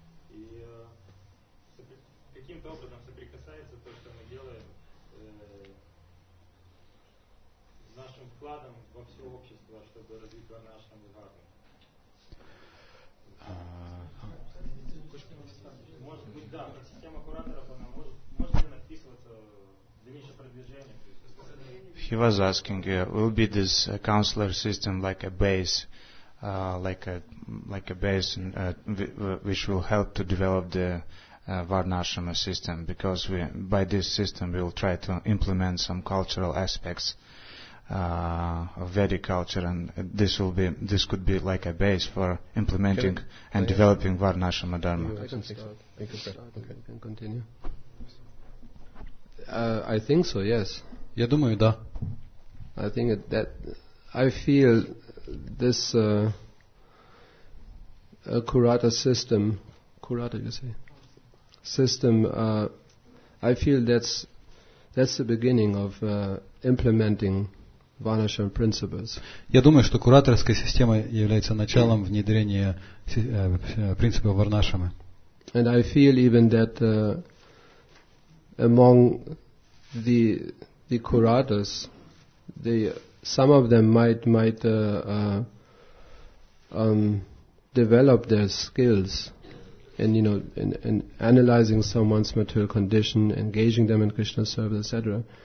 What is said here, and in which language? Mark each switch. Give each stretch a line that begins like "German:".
Russian: И каким-то образом соприкасается то, что мы делаем с нашим вкладом во все общество, чтобы развить Варнашраму Дхарму. Может быть, да, система кураторов, она может ли написываться в дальнейшем продвижении?
English: He was asking, will be this counselor system like a base, which will help to develop the Varnashrama system, because by this system we will try to implement some cultural aspects of Vedic culture, and this could be like a base for implementing and developing Varnashrama Dharma. I can continue. I think so. Yes.
Russian: Я думаю, да.
English: I think that I feel this kurata system. I feel that's the beginning of implementing Varnashrama principles.
Russian: Я думаю, что кураторская система является началом внедрения принципов Варнашрамы.
English: And I feel even that among the curators, some of them might develop their skills in, you know, in analyzing someone's material condition, engaging them in Krishna service, etc.